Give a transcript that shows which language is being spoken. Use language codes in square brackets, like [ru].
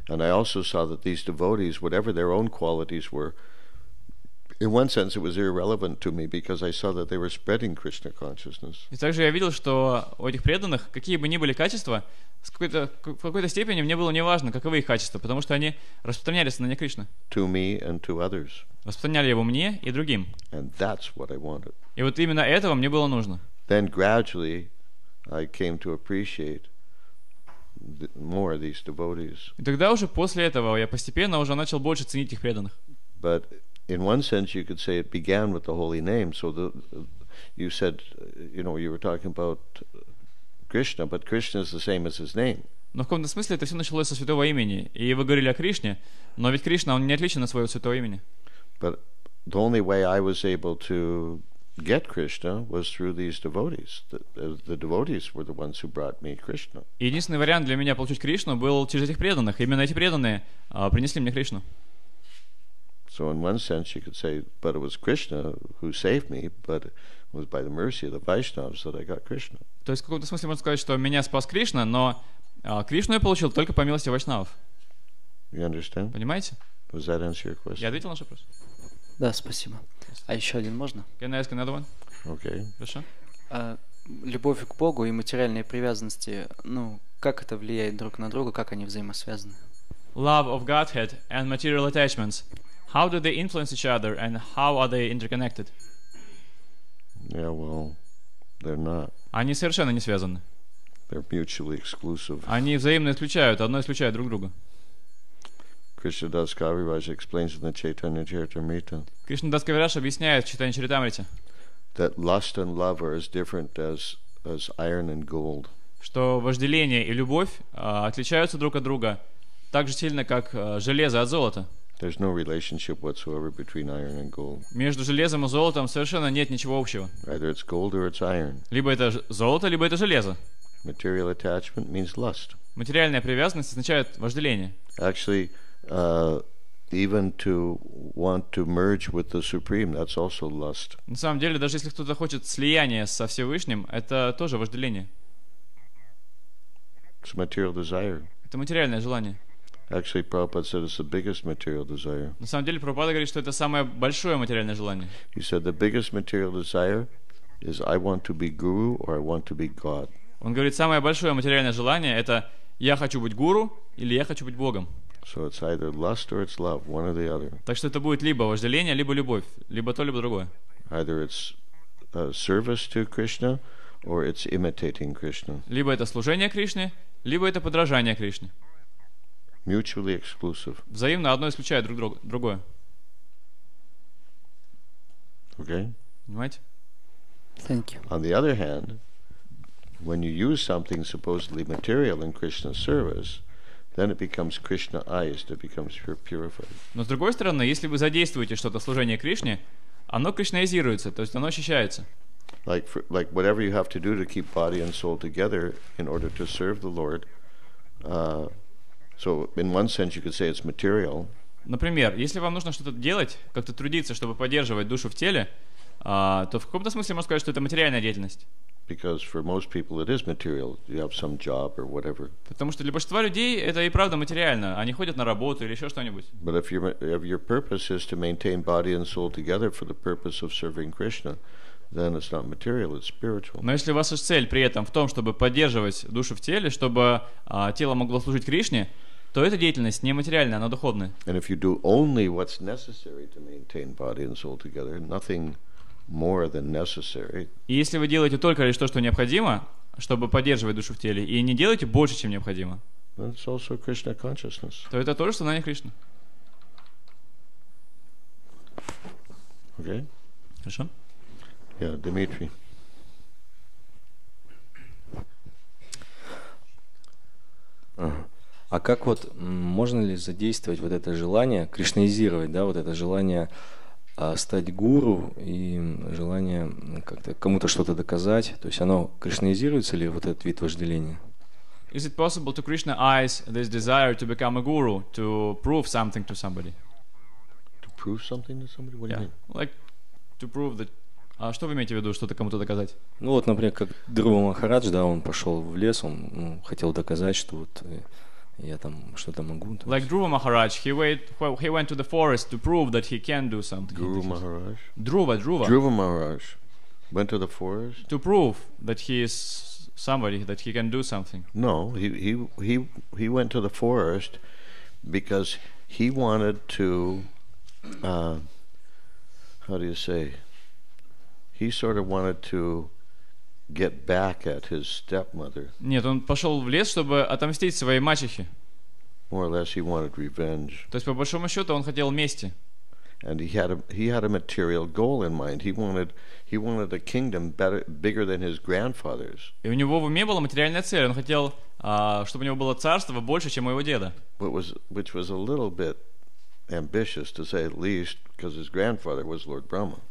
[en] And I also saw that these devotees, whatever their own qualities were, in one sense, it was irrelevant to me because I saw that they were spreading Krishna consciousness. [ru] И также я видел, что у этих преданных, какие бы ни были качества, в какой-то степени мне было неважно, каковы их качества, потому что они распространяли сознание Кришны. [en] To me and to others. [ru] Распространяли его мне и другим. [en] And that's what I wanted. [ru] И вот именно этого мне было нужно. [en] Then gradually, I came to appreciate more of these devotees. [ru] И тогда уже после этого я постепенно уже начал больше ценить их преданных. [en] But in one sense, you could say it began with the holy name. So you said, you know, you were talking about Krishna, but Krishna is the same as his name. [ru] Но в каком-то смысле это все началось со святого имени, и вы говорили о Кришне, но ведь Кришна он не отличен от своего святого имени. [en] But the only way I was able to get Krishna was through these devotees. The devotees were the ones who brought me Krishna. [ru] Единственный вариант для меня получить Кришну был через этих преданных. Именно эти преданные принесли мне Кришну. [en] So in one sense you could say, but it was Krishna who saved me, but it was by the mercy of the Vaishnavas that I got Krishna. [ru] То есть в каком-то смысле можно сказать, что меня спас Кришна, но Кришну я получил только по милости вайшнавов. [en] You understand? [ru] Понимаете? [en] Does that answer your question? [ru] Я ответил на вопрос? Да, спасибо. А еще один можно? [en] Can I ask another one? Okay. [ru] Хорошо. Любовь к Богу и материальные привязанности, ну, как это влияет друг на друга, как они взаимосвязаны? [en] Love of Godhead and material attachments. How do they influence each other, and how are they interconnected? Yeah, well, they're not. [ru] Они совершенно не связаны. [en] They're mutually exclusive. [ru] Они взаимно исключают, одно исключает друг друга. [en] Krishna Das Kaviraj explains in the Chaitanya Charitamrita. [ru] Krishna Das Kaviraj объясняет в Чайтанья Чаритамрите. [en] That lust and love are as different as iron and gold. [ru] Что вожделение и любовь отличаются друг от друга так же сильно, как железо от золота. [en] There's no relationship whatsoever between iron and gold. [ru] Между железом и золотом совершенно нет ничего общего. [en] Either it's gold or it's iron. [ru] Либо это золото, либо это железо. [en] Material attachment means lust. [ru] Материальная привязанность означает вожделение. [en] Actually, even to want to merge with the supreme, that's also lust. [ru] На самом деле, даже если кто-то хочет слияния со Всевышним, это тоже вожделение. [en] It's material desire. [ru] Это материальное желание. [en] Actually, Prabhupada said it's the biggest material desire. [ru] На самом деле, Прабхупада говорит, что это самое большое материальное желание. [en] He said the biggest material desire is I want to be guru or I want to be God. [ru] Он говорит, самое большое материальное желание это я хочу быть гуру или я хочу быть богом. [en] So it's either lust or it's love, one or the other. [ru] Так что это будет либо вожделение, либо любовь, либо то, либо другое. [en] Either it's service to Krishna or it's imitating Krishna. [ru] Либо это служение Кришне, либо это подражание Кришне. [en] Mutually exclusive. [ru] Взаимно одно исключает другое. [en] Okay. [ru] Понимаете? [en] Thank you. On the other hand, when you use something supposedly material in Krishna's service, then it becomes Krishnaized, it becomes purified. [ru] Но с другой стороны, если вы задействуете что-то в служении Кришне, оно кришнаизируется, то есть оно очищается. [en] Like whatever you have to do to keep body and soul together in order to serve the Lord. So in one sense you could say it's material. [ru] Например, если вам нужно что-то делать, как-то трудиться, чтобы поддерживать душу в теле, то в каком-то смысле можно сказать, что это материальная деятельность. [en] Because for most people it is material. You have some job or whatever. [ru] Потому что для большинства людей это и правда материально. Они ходят на работу или еще что-нибудь. [en] But if your purpose is to maintain body and soul together for the purpose of serving Krishna, then it's not material, it's spiritual. [ru] Но если у вас цель при этом в том, чтобы поддерживать душу в теле, чтобы тело могло служить Кришне, то эта деятельность не материальная, она духовная. [en] And if you do only what's necessary to maintain body and soul together, nothing more than necessary. [ru] И если вы делаете только лишь то, что необходимо, чтобы поддерживать душу в теле, и не делаете больше, чем необходимо, [en] then it's also Krishna consciousness. [ru] То это тоже сознание Кришны. [en] Okay. [ru] Хорошо. [en] Yeah, Dmitry. [ru] А как вот можно ли задействовать вот это желание, кришнаизировать, да, вот это желание стать гуру и желание как-то кому-то что-то доказать? То есть оно кришнаизируется ли, вот этот вид вожделения? [en] Is it possible to Krishnaize this desire to become a guru, to prove something to somebody? To prove something to somebody? What yeah. do you mean? Like to prove that. [ru] А что вы имеете в виду, что-то кому-то доказать? Ну вот, например, как Друва Махарадж, да, он пошел в лес, он ну, хотел доказать, что вот я там что-то могу. То [en] like Druva Maharaj, he went to the forest to prove that he can do something. Druva Maharaj. Druva. Druva Maharaj went to the forest to prove that he is somebody, that he can do something. No, he went to the forest because he wanted to how do you say? He sort of wanted to get back at his stepmother. [ru] Нет, он пошел в лес, чтобы отомстить своей мачехе. [en] More or less, he wanted revenge. [ru] То есть по большому счету он хотел мести. [en] And he had a material goal in mind. He wanted a kingdom better, bigger than his grandfather's. [ru] И у него в уме была материальная цель. Он хотел, чтобы у него было царство больше, чем у его деда. [en] Which was a little bit ambitious, to say at least, because his grandfather was Lord Brahma.